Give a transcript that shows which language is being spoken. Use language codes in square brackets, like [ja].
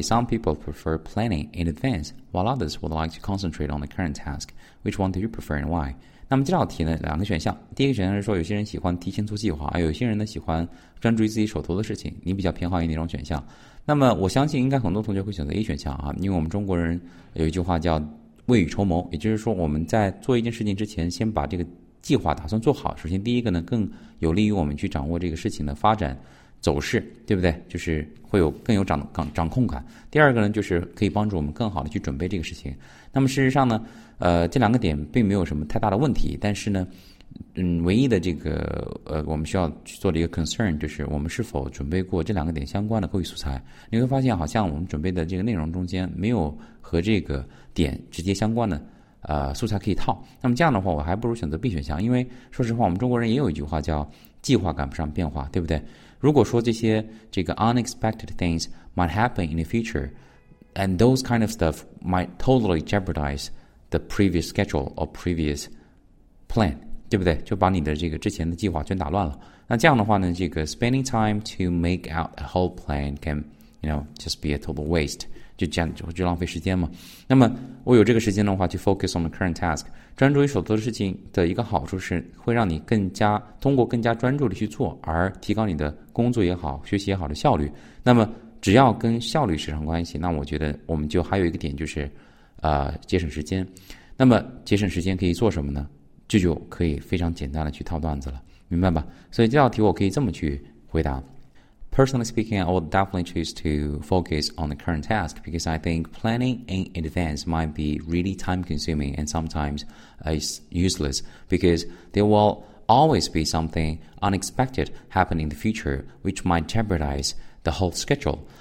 [en] Some people prefer planning in advance, while others would like to concentrate on the current task. Which one do you prefer and why? [zh] 那么这道题呢，两个选项。第一个选项是说，有些人喜欢提前做计划，而有些人呢喜欢专注于自己手头的事情。你比较偏好于哪种选项？那么我相信，应该很多同学会选择 A 选项啊，因为我们中国人有一句话叫“未雨绸缪”，也就是说，我们在做一件事情之前，先把这个计划打算做好。首先，第一个呢，更有利于我们去掌握这个事情的发展走势，对不对？就是会有更有掌控感。第二个呢，就是可以帮助我们更好的去准备这个事情。那么事实上呢，这两个点并没有什么太大的问题，但是呢，唯一的这个我们需要去做的一个 concern 就是我们是否准备过这两个点相关的口语素材。你会发现好像我们准备的这个内容中间没有和这个点直接相关的素材可以套。那么这样的话，我还不如选择 B 选项，因为说实话，我们中国人也有一句话叫计划赶不上变化，对不对？如果说这个 [en] unexpected things might happen in the future, and those kind of stuff might totally jeopardize the previous schedule or previous plan, [zh] 对不对？就把你的这个之前的计划全打乱了。那这样的话呢，这个 [en] spending time to make out a whole plan can, you know, just be a total waste, [zh] 就浪费时间嘛。那么我有这个时间的话去 [en] focus on the current task, [zh] 专注于手头的事情的一个好处是会让你通过更加专注的去做而提高你的工作也好、学习也好的效率。那么只要跟效率扯上关系，那我觉得我们就还有一个点就是节省时间。那么节省时间可以做什么呢？这就可以非常简单的去套段子了，明白吧？所以这道题我可以这么去回答。 [en] Personally speaking, I would definitely choose to focus on the current task because I think planning in advance might be really time-consuming and sometimes is useless because there will always be something unexpected happening in the future which might jeopardize the whole schedule.